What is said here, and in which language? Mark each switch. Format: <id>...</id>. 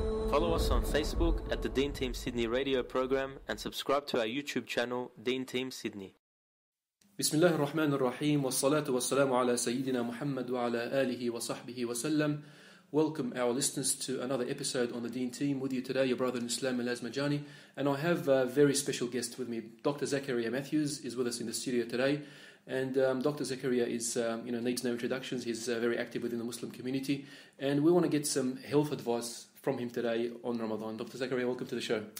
<en>Follow us on Facebook at the Deen Team Sydney radio program and subscribe to our YouTube channel, Deen Team Sydney.</en> <ar>بسم الله الرحمن الرحيم والصلاة والسلام على سيدنا محمد وعلى آله وصحبه وسلم.</ar> <en>Welcome our listeners to another episode on the Deen Team. With you today, your brother in Islam, Elaz Majani. And I have a very special guest with me. Dr. Zakaria Matthews is with us in the studio today. And Dr. Zakaria is, needs no introductions. He's very active within the Muslim community. And we want to get some health advice from him today on Ramadan. Dr. Zakaria, welcome to the show.</en>